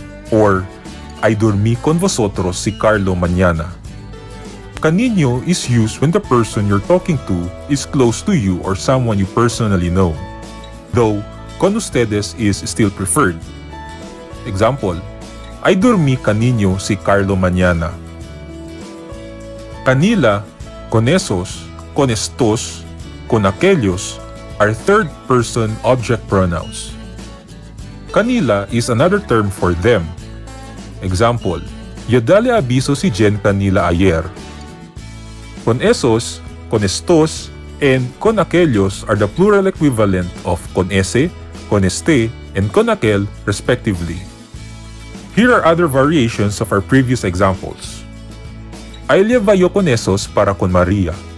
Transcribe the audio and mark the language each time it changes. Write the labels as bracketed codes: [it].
[cbk] Or, I dormí con vosotros si Carlo mañana. [en] Kaninyo is used when the person you're talking to is close to you or someone you personally know. Though, con ustedes is still preferred. Example, [cbk] ay dormi kaninyo si Carlo mañana. [en] Kanila, con esos, con estos, con aquellos are third person object pronouns. Kanila is another term for them. Example, [cbk] yo dale aviso si Jen kanila ayer. [en] Con esos, con estos, and con aquellos are the plural equivalent of con ese, con este, and con aquel, respectively. Here are other variations of our previous examples. [cbk] Ay lleva yo con esos para con María.